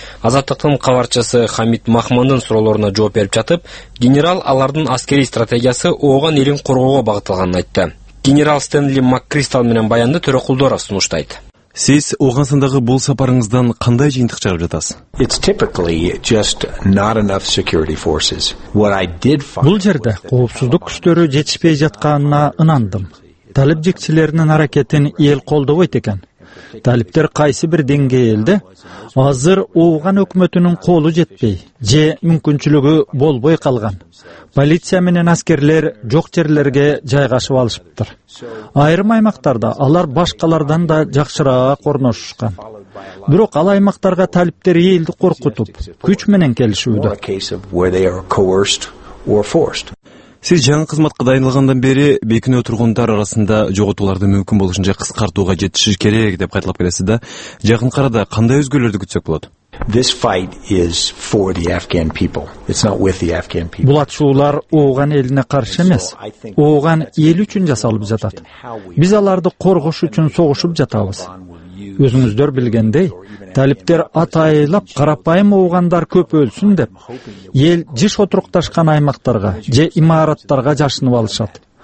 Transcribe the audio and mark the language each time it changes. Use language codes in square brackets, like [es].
[ky] Азаттыктын кабарчысы Хамид Махмандын суроолоруна жооп берип жатып, генерал алардын аскерий стратегиясы Ооган элин коргоого багытталганын айтты. Генерал Стэнли МакКристал менен баянды Төрөкулдоров сунуштайт. Сиз Оогансандагы бул сапарыңыздан кандай жыйынтык чыгарып жатасыз? [en] It's typically just not enough security forces. What I did find. [ky] Бул жерде коопсуздук күчтөрү жетишпей жатканына ынандым. Талип жекчилеринин аракетин эл колдобойт экен. Талиптер кайсы бир деңгээлде? Азыр Ооган өкмөтүнүн колу жетпей же мүмкүнчүлүгү болбой калган. Полиция менен аскерлер жок жерлерге жайгашып алышыптыр. Айрым аймактарда алар башкалардан да жакшыраак орношушкан. Бирок ал аймактарга талиптер элди коркутуп, күч менен келишүүдө. Сиз жаңы кызматка дайындалгандан бери бекине отургундар арасында жоготууларды мүмкүн болушунча кыскартууга жетишиш керек деп кайталап келесиз да, жакынкы арада кандай өзгөрүүлөрдү күтсөк болот? [en] This fight is for the Afghan people. It's not with the Afghan people. [ky] Бул атышуулар Ооган элине каршы эмес. Ооган эл үчүн жасалып жатат. Биз аларды коргош үчүн согушуп жатабыз. Өзүңүздөр билгендей, талиптер атайылап карапайым оогандар көп өлсүн деп, эл жыш отурукташкан аймактарга же имараттарга жашынып алышат.